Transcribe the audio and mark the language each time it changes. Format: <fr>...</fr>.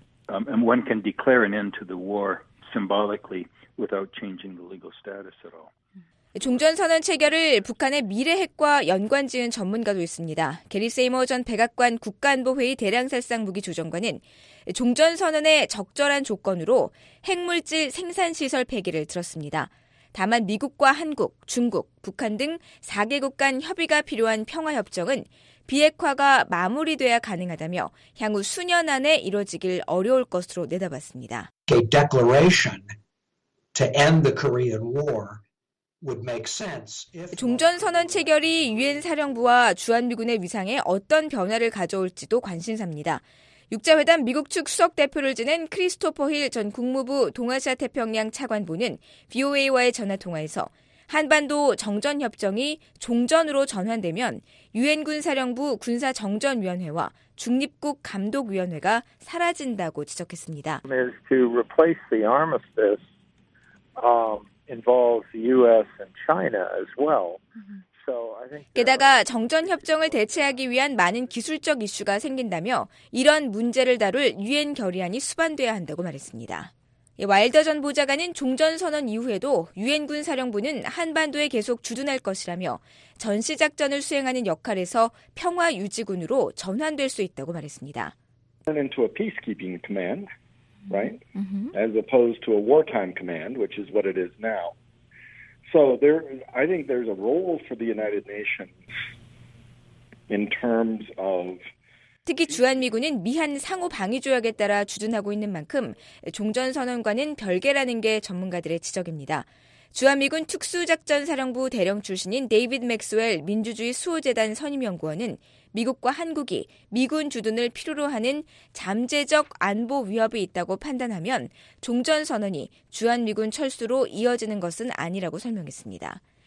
<en>One can declare an end to the war symbolically without changing the legal status at all.</en> <ko>종전선언 체결을 북한의 미래 핵과 연관 지은 전문가도 있습니다. 게리 세이머 전 백악관 국가안보회의 대량살상무기조정관은 종전선언의 적절한 조건으로 핵물질 생산시설 폐기를 들었습니다. 다만 미국과 한국, 중국, 북한 등 4개국 간 협의가 필요한 평화협정은 비핵화가 마무리돼야 가능하다며 향후 수년 안에 이뤄지길 어려울 것으로 내다봤습니다.</ko> <en>A declaration to end the Korean War would make sense.</en> <ko>종전선언 체결이 유엔 사령부와 주한미군의 위상에 어떤 변화를 가져올지도 관심사입니다. 육자회담 미국 측 수석대표를 지낸 크리스토퍼 힐 전 국무부 동아시아태평양 차관보는 VOA와의 전화통화에서 한반도 정전협정이 종전으로 전환되면 유엔군사령부 군사정전위원회와 중립국 감독위원회가 사라진다고 지적했습니다.</ko> <en>To replace the armistice involves the U.S. and China as well.</en> <ko>게다가 정전협정을 대체하기 위한 많은 기술적 이슈가 생긴다며 이런 문제를 다룰 유엔 결의안이 수반돼야 한다고 말했습니다. 와일더 전 보좌관은 종전선언 이후에도 유엔군 사령부는 한반도에 계속 주둔할 것이라며 전시작전을 수행하는 역할에서 평화유지군으로 전환될 수 있다고 말했습니다.</ko> <en>Into a peacekeeping command, right? As opposed to a wartime command, which is what it is now. So there, I think there's a role for the United Nations in terms of.</en> <ko>특히 주한미군은 미한 상호 방위 조약에 따라 주둔하고 있는 만큼 종전선언과는 별개라는 게 전문가들의 지적입니다. 주한미군 특수작전사령부 대령 출신인 데이비드 맥스웰 민주주의 수호재단 선임연구원은 미국과 한국이 미군 주둔을 필요로 하는 잠재적 안보 위협이 있다고 판단하면 종전선언이 주한미군 철수로 이어지는 것은 아니라고 설명했습니다.</ko>